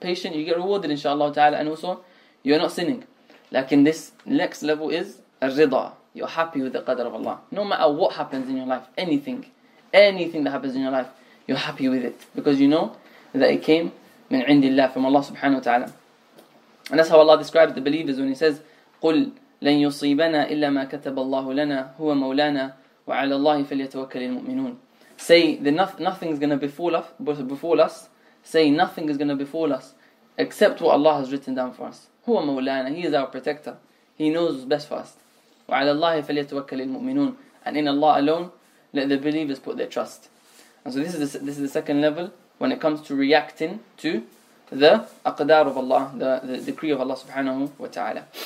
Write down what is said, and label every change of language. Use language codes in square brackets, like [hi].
[en] Patient, you get rewarded inshaAllah ta'ala, and also you're not sinning. Lakin this next level is al-rida. You're happy with the qadr of Allah. No matter what happens in your life, anything that happens in your life, you're happy with it. Because you know that it came min indillah, from Allah subhanahu wa ta'ala. And that's how Allah describes the believers when He says, [ar] قُلْ لَنْ يُصِيبَنَا إِلَّا مَا كَتَبَ اللَّهُ لَنَا هُوَ مَوْلَانَا وَعَلَى اللَّهِ فَلْيَتَوَكَّلِ الْمُؤْمِنُونَ. [en] Say that nothing is going to befall us. Say nothing is going to befall us except what Allah has written down for us. [ar] هُوَ مَوْلَانَا. [en] He is our protector. He knows what's best for us. [ar] وَعَلَى اللَّهِ فَلْيَتَوَكَّلِ الْمُؤْمِنُونَ. [en] And in Allah alone, let the believers put their trust. And so this is the second level when it comes to reacting to the aqdar of Allah, the decree of Allah subhanahu wa ta'ala.